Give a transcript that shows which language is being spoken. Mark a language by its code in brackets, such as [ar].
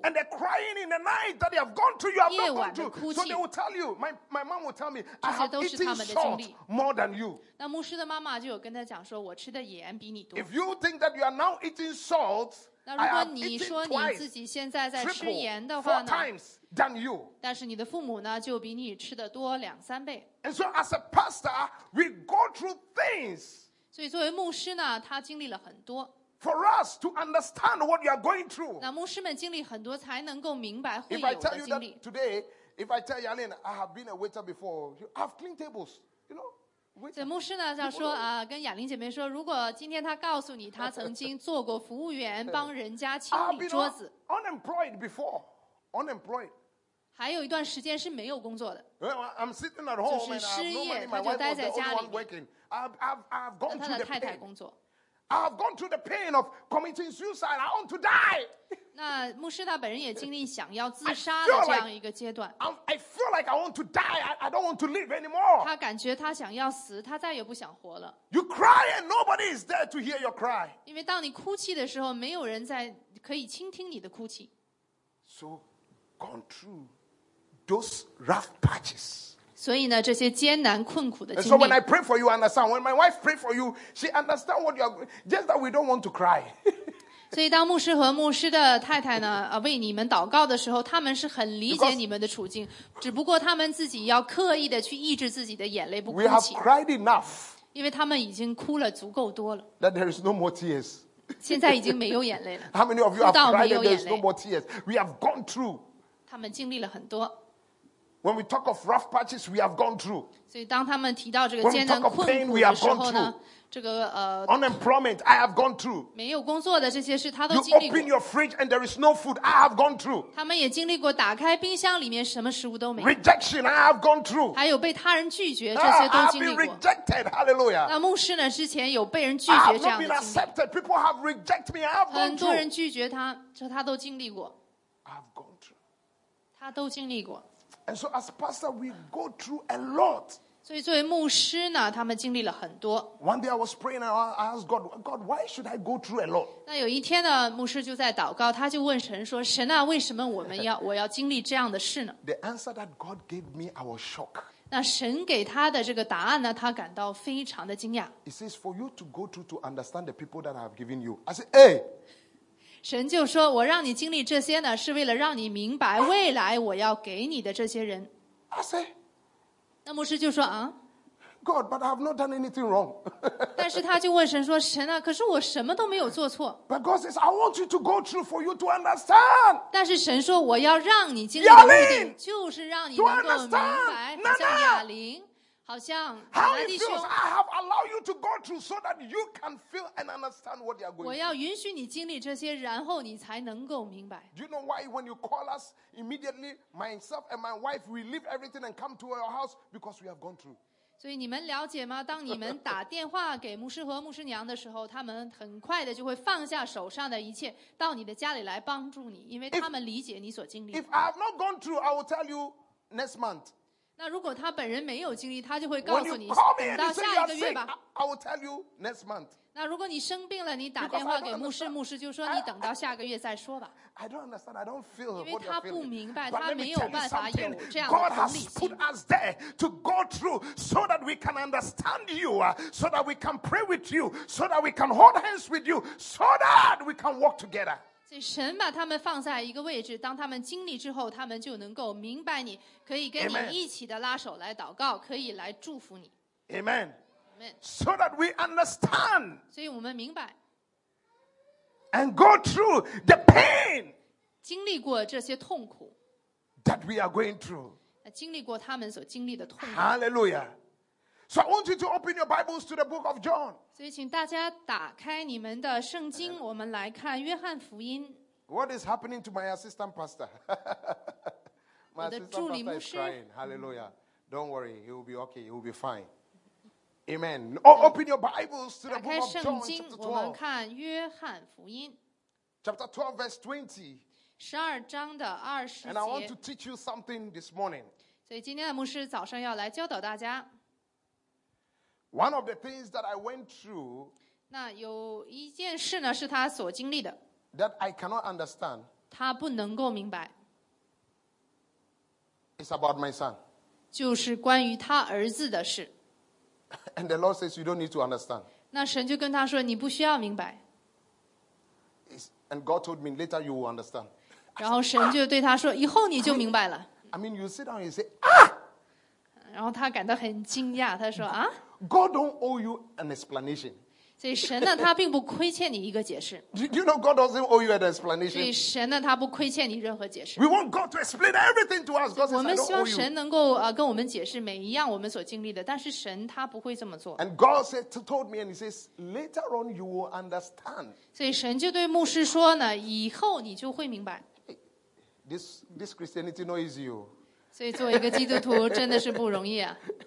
[en] And the crying in the night that they have gone through, you have not gone through. [zh] 夜晚的哭泣。 [en] So they will tell you, my mom will tell me, I have eaten salt more than you. [zh] 那牧师的妈妈就有跟他讲说，我吃的盐比你多。 [en] If you think that you are now eating salt, [zh] 那如果你说你自己现在在吃盐的话呢？ [en] Four times than you. [zh] 但是你的父母呢，就比你吃的多两三倍。 [en] And so as a pastor, we go through things. [zh] 所以作为牧师呢，他经历了很多。 [en] For us to understand what you are going through. [zh] 那牧师们经历很多才能够明白会有的经历。 [en] If I tell you that today, if I tell Yalin, I have been a waiter before, you have cleaned tables, you know. [zh] 所以牧师呢要说啊，跟雅玲姐妹说，如果今天她告诉你她曾经做过服务员，帮人家清理桌子。 [en] Unemployed before, unemployed. [zh] 还有一段时间是没有工作的。 [en] I'm sitting at home. [zh] 就是失业，他就待在家里。 [en] I've gone through the pain. [zh] 那他的太太工作。 [en] I've gone through the pain of committing suicide. I want to die. [zh] 那牧师他本人也经历想要自杀的这样一个阶段。 [en] I feel like I want to die. I don't want to live anymore. [zh] 他感觉他想要死，他再也不想活了。 [en] You cry and nobody is there to hear your cry. [zh] 因为当你哭泣的时候，没有人在可以倾听你的哭泣。 [en] So, gone through those rough patches. [zh] 所以呢，这些艰难困苦的经历。 [en] So when I pray for you, understand. When my wife pray for you, she understand what you are. Just that we don't want to cry. [zh] 所以，当牧师和牧师的太太呢，为你们祷告的时候，他们是很理解你们的处境，只不过他们自己要刻意的去抑制自己的眼泪不哭泣。 [en] We have cried enough. [zh] 因为他们已经哭了足够多了。 [en] That there is no more tears. [zh] 现在已经没有眼泪了。 [en] How many of you have cried and there is no more tears? We have gone through. [zh] 他们经历了很多。 [en] When we talk of rough patches, we have gone through. [zh] 所以当他们提到这个艰难困苦的时候呢， [en] When we talk of pain, we have gone through. [zh] 这个 [en] Unemployment, I have gone through. [zh] 没有工作的这些事，他都经历过。 [en] You open your fridge and there is no food, I have gone through. [zh] 他们也经历过打开冰箱里面什么食物都没有。 [en] Rejection, I have gone through. [zh] 还有被他人拒绝，这些都经历过。 [en] I have been rejected, hallelujah. [zh] 那牧师呢，之前有被人拒绝这样的经历。 [en] I have not been accepted, people have rejected me, I have gone through. [zh] 很多人拒绝他，这他都经历过。 [en] I have gone through. [zh] 他都经历过。 [en] And so, as pastor, we go through a lot. [zh] 所以作为牧师呢，他们经历了很多。 [en] One day, I was praying and I asked God, "God, why should I go through a lot?" [zh] 那有一天呢，牧师就在祷告，他就问神说：“神啊，为什么我要经历这样的事呢？” [en] The answer that God gave me, I was shocked. [zh] 那神给他的这个答案呢，他感到非常的惊讶。 [en] He says, "For you to go through to understand the people that I have given you." I said, "Hey." [zh] 神就说：“我让你经历这些呢，是为了让你明白未来我要给你的这些人。” [en] I say, [zh] 那牧师就说：“啊 [en] ，God, but I have not done anything wrong. [zh] 但是他就问神说：“神啊，可是我什么都没有做错。 [en] ”But God says, "I want you to go through for you to understand." [zh] 但是神说：“我要让你经历的目的，就是让你能够明白，像雅玲，好像亚拉弟兄。 [en] How it feels? I have allowed you to go through so that you can feel and understand what you are going through. [zh] 我要允许你经历这些，然后你才能够明白。 [en] Do you know why when you call us immediately, myself and my wife, we leave everything and come to your house because we have gone through? [zh] 所以你们了解吗？当你们打电话给牧师和牧师娘的时候，他们很快的就会放下手上的一切，到你的家里来帮助你，因为他们理解你所经历。 [en] If I have not gone through, I will tell you next month. [zh] 那如果他本人没有经历，他就会告诉你等到下一个月吧。 [en] I will tell you next month. [zh] 那如果你生病了，你打电话给牧师，牧师就说你等到下个月再说吧。 [en] I don't understand. I don't feel. [zh] 因为他不明白，他没有办法有这样的能力。 [en] God has put us there to go through so that we can understand you, so that we can pray with you, so that we can hold hands with you, so that we can walk together. [zh] 所以神把他们放在一个位置，当他们经历之后，他们就能够明白你，可以跟你一起的拉手来祷告，可以来祝福你。 [en] Amen. Amen. So that we understand. [zh] 所以我们明白。 [en] And go through the pain. [zh] 经历过这些痛苦。 [en] that we are going through. [zh] 经历过他们所经历的痛苦。 [en] Hallelujah. So I want you to open your Bibles to the book of John. [zh] 所以请大家打开你们的圣经，我们来看约翰福音。 [en] What is happening to my assistant pastor? My assistant pastor is crying. Hallelujah. Don't worry, he will be okay. He will be fine. Amen. Oh, open your Bibles to the book of John, chapter 12. [zh] 我们看约翰福音。 [en] Chapter 12, verse 20. And I want to teach you something this morning. [zh] So, 今天的牧师早上要来教导大家。 [en] One of the things that I went through. [zh] 那有一件事呢，是他所经历的。 [en] That I cannot understand. [zh] 他不能够明白。 [en] It's about my son. [zh] 就是关于他儿子的事。 [en] And the Lord says you don't need to understand. [zh] 那神就跟他说，你不需要明白。 [en] And God told me later you will understand. [zh] 然后神就对他说，以后你就明白了。 [en] I mean, you sit down and you say, [zh] 然后他感到很惊讶，他说啊。 [en] God don't owe you an explanation. [zh] 所以神呢，他并不亏欠你一个解释。 [en] You know, God doesn't owe you an explanation. [zh] 所以神呢，他不亏欠你任何解释。 [en] We want God to explain everything to us. God says, I don't owe you. [zh] 我们希望神能够跟我们解释每一样我们所经历的，但是神他不会这么做。 [en] And God said, told me, and he says, later on you will understand. [zh] 所以神就对牧师说呢，以后你就会明白。 [en] This Christianity no easy. [zh] 所以作为一个基督徒真的是不容易啊。